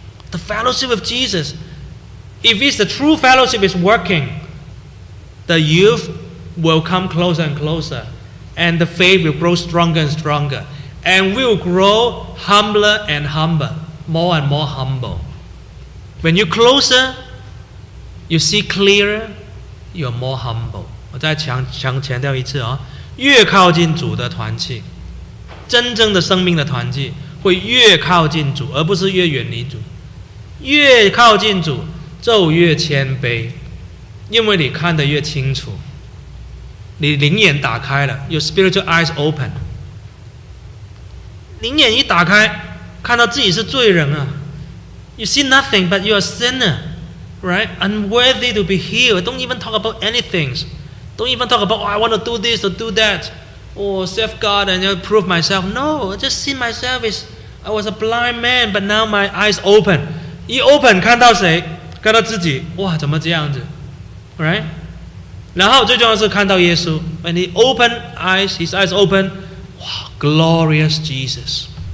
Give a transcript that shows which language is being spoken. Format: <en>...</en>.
<en>The fellowship with Jesus. If it's the true fellowship is working, the youth will come closer and closer, and the faith will grow stronger and stronger, and we will grow humbler and humbler, more and more humble. When you're closer, you see clearer, you're more humble.</en> <zh>我再强调一次，越靠近主的团契，真正的生命的团契会越靠近主，而不是越远离主。越靠近主就越谦卑，因为你看得越清楚，你灵眼打开了， your spiritual eyes open，灵眼一打开看到自己是罪人啊，</zh> <en>you see nothing but you are a sinner， right， unworthy to be healed， don't even talk about anything， don't even talk about、oh, I want to do this or do that or serve God and prove myself， no， I just see myself as I was a blind man but now my eyes open，一 open 看到谁，看到自己，哇，怎么这样子， right，然后最重要的是看到耶稣 When he opened eyes, his eyes opened, wow, glorious Jesus.</en>